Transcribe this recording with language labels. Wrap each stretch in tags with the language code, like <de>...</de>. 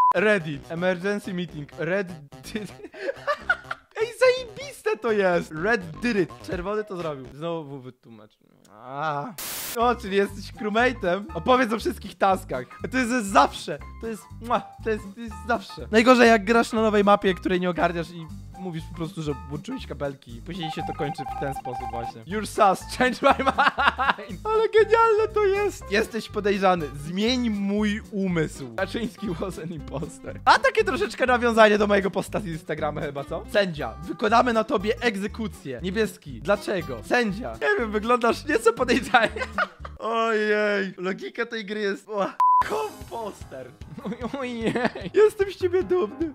<pl>Reddit.</pl> <en>Emergency meeting.</en> <pl>Reddit. Ej, zajebiste to jest.</pl> <en>Red did it.</en> <pl>Czerwony to zrobił. Znowu wytłumacz. O, czyli jesteś crewmate'em. Opowiedz o wszystkich taskach. To jest zawsze. To jest zawsze. Najgorzej jak grasz na nowej mapie, której nie ogarniasz i mówisz po prostu, że włączyłeś kabelki. I później się to kończy w ten sposób właśnie.</pl> <en>You're sus, change my mind.</en> <pl>Ale genialne to jest. Jesteś podejrzany. Zmień mój umysł.</pl> <en>Kaczyński was an imposter.</en> <pl>A takie troszeczkę nawiązanie do mojego posta z Instagrama chyba, co? Sędzia, wykonamy na tobie egzekucję. Niebieski, dlaczego? Sędzia, nie wiem, wyglądasz nieco podejrzanie. Ojej, logika tej gry jest... Komposter. Ojej, jestem z ciebie dumny.</pl>